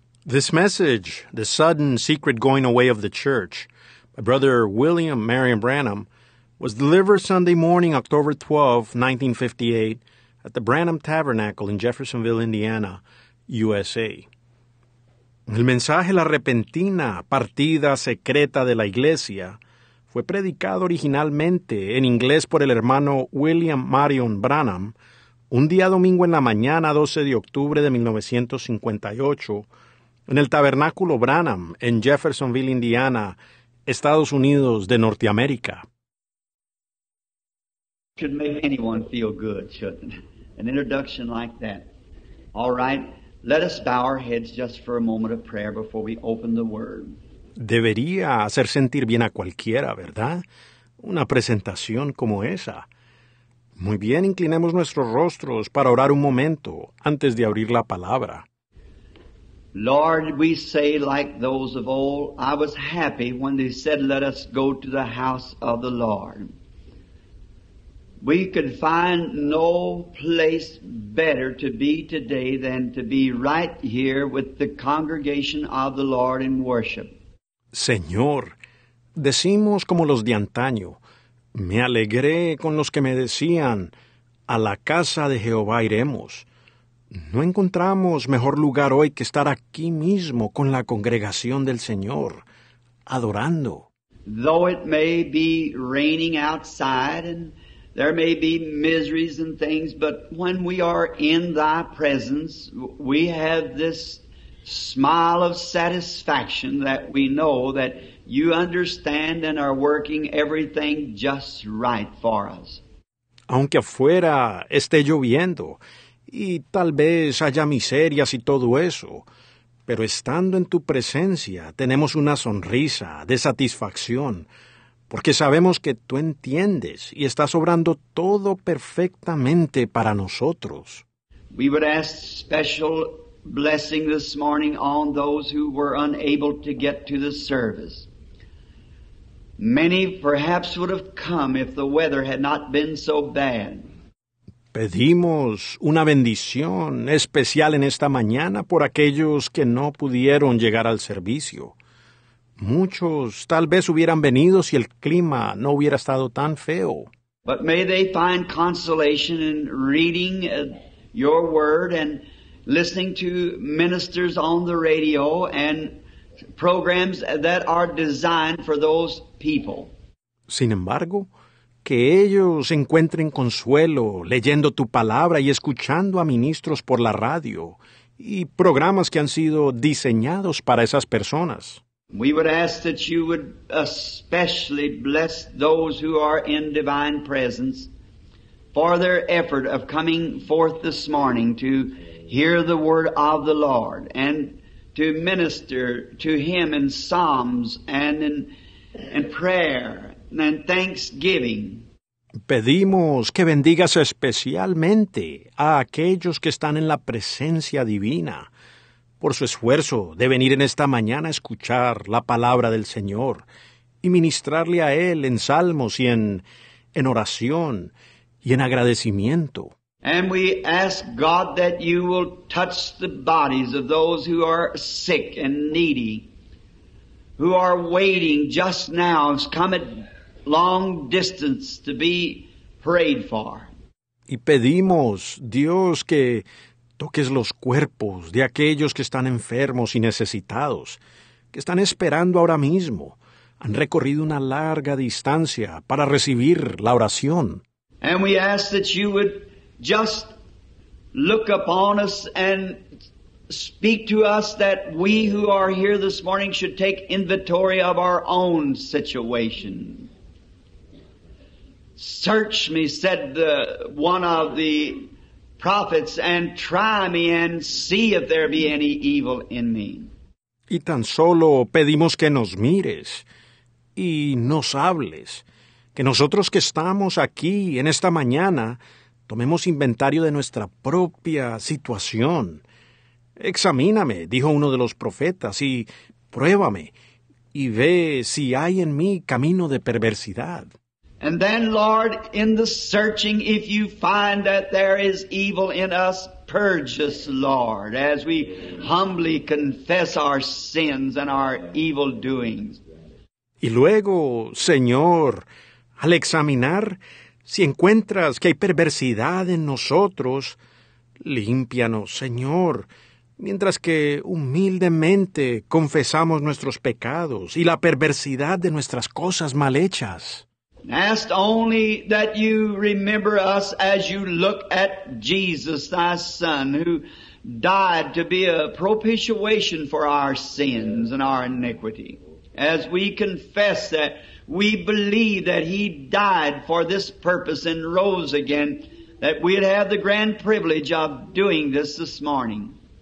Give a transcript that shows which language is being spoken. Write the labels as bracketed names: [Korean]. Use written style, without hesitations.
[English] This message, The Sudden Secret Going Away of the Church, by Brother William Marion Branham, was delivered Sunday morning, October 12, 1958, at the Branham Tabernacle in Jeffersonville, Indiana, USA. [Spanish] El mensaje La Repentina Partida Secreta de la Iglesia fue predicado originalmente en inglés por el hermano William Marion Branham un día domingo en la mañana 12 de octubre de 1958, en el Tabernáculo Branham, en Jeffersonville, Indiana, Estados Unidos de Norteamérica. [English] Could make anyone feel good, shouldn't it? An introduction like that. All right, let us bow our heads just for a moment of prayer before we open the Word. [Spanish] Debería hacer sentir bien a cualquiera, ¿verdad? Una presentación como esa. Muy bien, inclinemos nuestros rostros para orar un momento antes de abrir la palabra. [English] Lord, we say like those of old, I was happy when they said, let us go to the house of the Lord. We could find no place better to be today than to be right here with the congregation of the Lord in worship. [Spanish] Señor, decimos como los de antaño, me alegré con los que me decían, a la casa de Jehová iremos. No encontramos mejor lugar hoy que estar aquí mismo con la congregación del Señor, adorando. [English] Though it may be raining outside and there may be miseries and things, but when we are in thy presence, we have this smile of satisfaction that we know that you understand and are working everything just right for us. [Spanish] Aunque afuera esté lloviendo, y tal vez haya miserias y todo eso, pero estando en tu presencia tenemos una sonrisa de satisfacción, porque sabemos que tú entiendes y estás obrando todo perfectamente para nosotros. [English] We would ask special blessing this morning on those who were unable to get to the service. Many perhaps would have come if the weather had not been so bad. [Spanish] Pedimos una bendición especial en esta mañana por aquellos que no pudieron llegar al servicio. Muchos tal vez hubieran venido si el clima no hubiera estado tan feo. [English] But may they find consolation in reading your word and listening to ministers on the radio and programs that are designed for those people. [Spanish] Sin embargo, que ellos encuentren consuelo leyendo tu palabra y escuchando a ministros por la radio y programas que han sido diseñados para esas personas. [English] We would ask that you would especially bless those who are in divine presence for their effort of coming forth this morning to hear the word of the Lord and to minister to him in psalms and in prayer. And thanksgiving. [Spanish] Pedimos que bendigas especialmente a aquellos que están en la presencia divina por su esfuerzo de venir en esta mañana a escuchar la palabra del Señor y ministrarle a Él en salmos y en oración y en agradecimiento. [English] And we ask God that you will touch the bodies of those who are sick and needy, who are waiting just now, has come at long distance to be prayed for. [Spanish] Y pedimos, Dios, que toques los cuerpos de aquellos que están enfermos y necesitados, que están esperando ahora mismo, han recorrido una larga distancia para recibir la oración. [English] And we ask that you would just look upon us and speak to us that we who are here this morning should take inventory of our own situation. Search me, said one of the prophets, and try me and see if there be any evil in me. [Spanish] Y tan solo pedimos que nos mires y nos hables, que nosotros que estamos aquí en esta mañana tomemos inventario de nuestra propia situación. Examíname, dijo uno de los profetas, y pruébame, y ve si hay en mí camino de perversidad. [English] And then, Lord, in the searching, if you find that there is evil in us, purge us, Lord, as we humbly confess our sins and our evil doings. [Spanish] Y luego, Señor, al examinar, si encuentras que hay perversidad en nosotros, límpianos, Señor, mientras que humildemente confesamos nuestros pecados y la perversidad de nuestras cosas mal hechas. [English] Ask only that you remember us as you look at Jesus, thy Son, who died to be a propitiation for our sins and our iniquity. As we confess that, we believe that he died for this purpose and rose again, that we'd have the grand privilege of doing this morning.